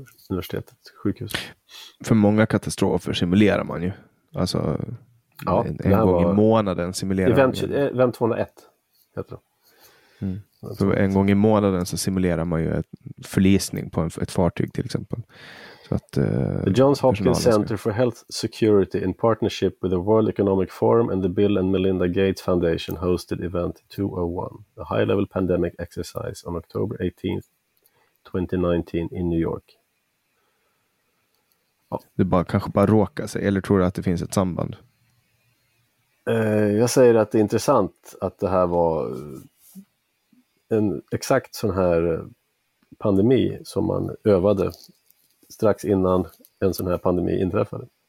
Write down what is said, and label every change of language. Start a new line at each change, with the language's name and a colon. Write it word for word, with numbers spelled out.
Swedish: Universitetet, sjukhus. För många katastrofer simulerar man ju. Alltså ja, en, en gång i månaden simulerar
English: event,
Swedish: man ju. Event tvåhundraett heter det. Mm. Så en gång i månaden så simulerar man ju en förlisning på en, ett fartyg till exempel. Så att, uh, the Johns Hopkins ska...
English: Center for Health Security in partnership with the World Economic Forum and the Bill and Melinda Gates Foundation hosted event two oh one, a high-level pandemic exercise on October eighteenth, twenty nineteen in New York.
Swedish: Ja. Det bara, kanske bara råkar sig, eller tror du att det finns ett samband? Eh, jag säger att det är intressant att det här var en exakt sån här pandemi som man övade strax innan en sån här pandemi inträffade.